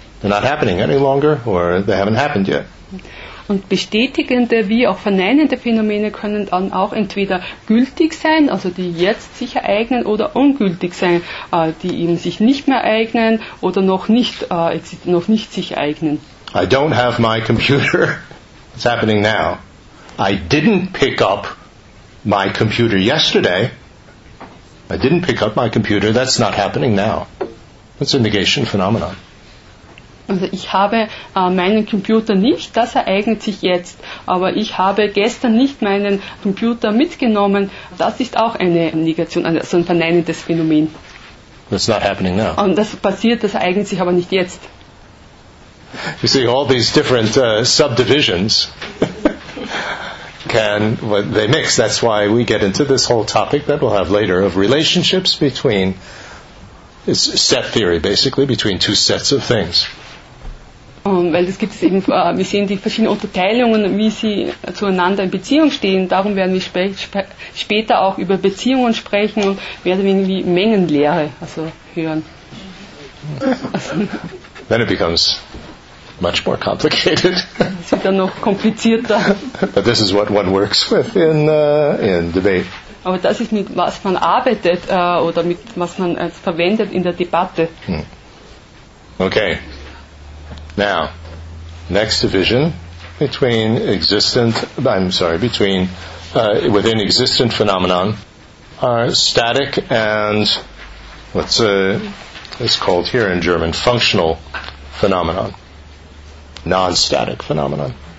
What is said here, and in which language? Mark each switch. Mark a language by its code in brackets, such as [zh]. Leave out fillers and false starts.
[en] They're not happening any longer or they haven't happened yet. [de] Und bestätigende wie auch verneinende Phänomene können dann auch entweder gültig sein, also die jetzt sich ereignen, oder ungültig sein, die eben sich nicht mehr ereignen oder noch nicht sich ereignen. [en] I don't have my computer. It's happening now. I didn't pick up my computer yesterday. I didn't pick up my computer. That's not happening now. That's a negation phenomenon. [de] Also ich habe meinen Computer nicht, das ereignet sich jetzt. Aber ich habe gestern nicht meinen Computer mitgenommen, das ist auch eine Negation, also ein verneinendes Phänomen. [en] That's not happening now. [de] Und das passiert, das ereignet sich aber nicht jetzt. [en] You see, all these different subdivisions can, well, they mix. That's why we get into this whole topic that we'll have later of relationships between, it's set theory basically, between two sets of things. [de] Weil es gibt eben, wir sehen die verschiedenen Unterteilungen, wie sie zueinander in Beziehung stehen. Darum werden wir später auch über Beziehungen sprechen und werden wir irgendwie Mengenlehre also hören. [en] Then it becomes much more complicated. [de] Es wird dann noch komplizierter. [en] But this is what one works with in debate. [de] Aber das ist, mit was man arbeitet oder mit was man als verwendet in der Debatte. [en] Okay. Now, next division between within existent phenomenon are static and it's called here in German functional phenomenon, non-static phenomenon.